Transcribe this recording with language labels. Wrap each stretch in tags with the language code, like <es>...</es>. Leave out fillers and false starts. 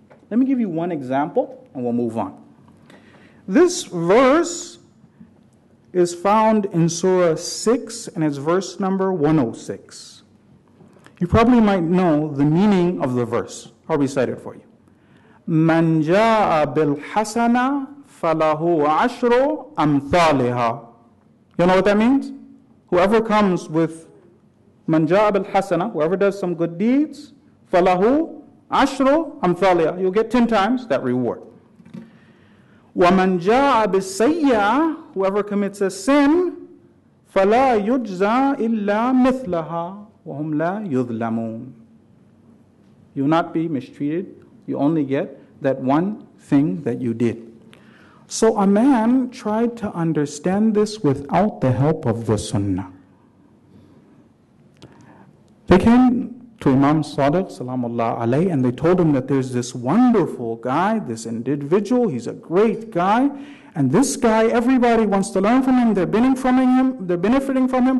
<en>Let me give you one example and we'll move on. This verse is found in Surah 6 and it's verse number 106. You probably might know the meaning of the verse. I'll recite it for you.</en> <ar>مَنْ جَاءَ بِالْحَسَنَ فَلَهُ عَشْرُ أَمْثَالِهَا</ar> <en>You know what that means? Whoever comes with</en> <ar>مَنْ جَاءَ بِالْحَسَنَ</ar> <en>Whoever does some good deeds,</en> <ar>فَلَهُ عَشْرُ أَمْثَالِهَا</ar> <en>You'll get 10 times that reward.</en> <ar>وَمَنْ جَاءَ بِالسَّيِّئَةِ</ar> <en>Whoever commits a sin,</en> <ar>فَلَا يُجْزَى إِلَّا مِثْلَهَا وَهُمْ لَا يُظْلَمُونَ</ar> <en>You'll not be mistreated. You only get that one thing that you did. So a man tried to understand this without the help of the Sunnah. They came to Imam Sadiq, salamullah alayhi, and they told him that there's this wonderful guy, this individual, he's a great guy, and this guy, everybody wants to learn from him, they're benefiting from him.</en>